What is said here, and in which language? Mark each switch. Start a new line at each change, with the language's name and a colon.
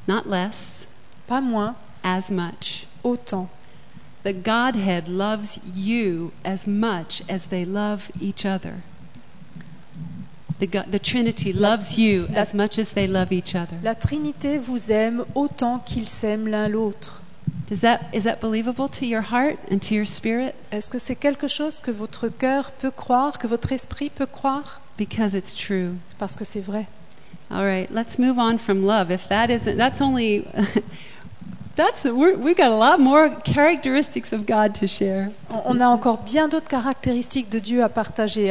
English: Not less.
French: Pas moins.
English: As much.
French: Autant.
English: The Godhead loves you as much as they love each other. The Trinity loves you as much as they love each other.
French: La Trinité vous aime autant qu'ils s'aiment l'un l'autre.
English: Is that believable to your heart and to your spirit?
French: Est-ce que c'est quelque chose que votre cœur peut croire, que votre esprit peut croire?
English: Because it's true.
French: Parce que c'est vrai.
English: All right, let's move on from love. If that isn't, that's only, that's we got a lot more characteristics of God to share.
French: On a encore bien d'autres caractéristiques de Dieu à partager.